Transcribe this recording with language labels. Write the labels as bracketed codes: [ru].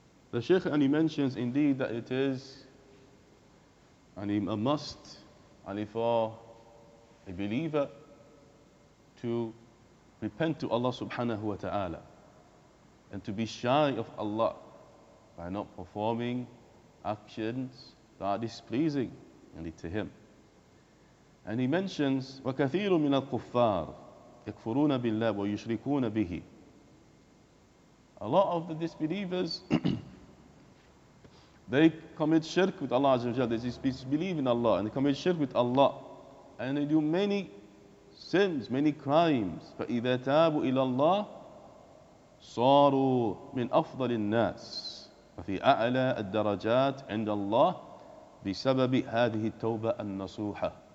[en] The Shaykh mentions indeed that it is a must for a believer to repent to Allah subhanahu wa ta'ala and to be shy of Allah by not performing actions that are displeasing to Him. And he mentions, [ar] وَكَثِيرٌ مِنَ الْقُفَّارِ يَكْفُرُونَ بِاللَّهِ وَيُشْرِكُونَ بِهِ. [en] A lot of the disbelievers, they commit shirk with Allah Azza wa Jalla. They disbelieve in Allah and they commit shirk with Allah. And they do many sins, many crimes. [ar] فَإِذَا تَابُوا إِلَى اللَّهِ صَارُوا مِنْ أَفْضَلِ النَّاسِ وَفِي أَعْلَى الدَّرَجَاتِ عِنْدَ اللَّهِ بِسَبَبِ هَذِهِ التَّوْبَةِ النَّصُوحَةِ.